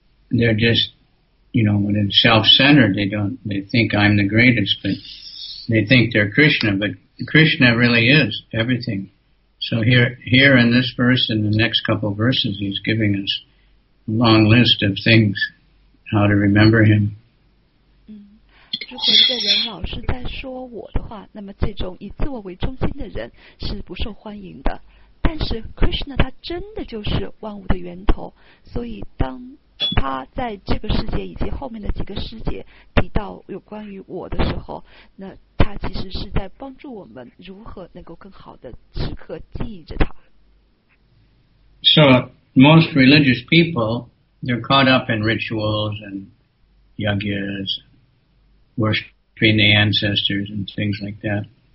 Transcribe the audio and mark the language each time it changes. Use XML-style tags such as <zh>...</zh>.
<en>They're just, you know, when it's self-centered, they think I'm the greatest, but they think they're Krishna, but Krishna really is everything. So here in this verse, in the next couple of verses, he's giving us a long list of things, how to remember him.</en> <zh>如果一个人老是在说我的话,那么这种以自我为中心的人是不受欢迎的。但是Krishna他真的就是万物的源头，所以当他在这个世界以及后面的几个世界提到有关于我的时候，那他其实是在帮助我们如何能够更好的时刻记忆着他。So</zh> <en>most religious people, they're caught up in rituals and yagyas, worshiping the ancestors and things like that.</en>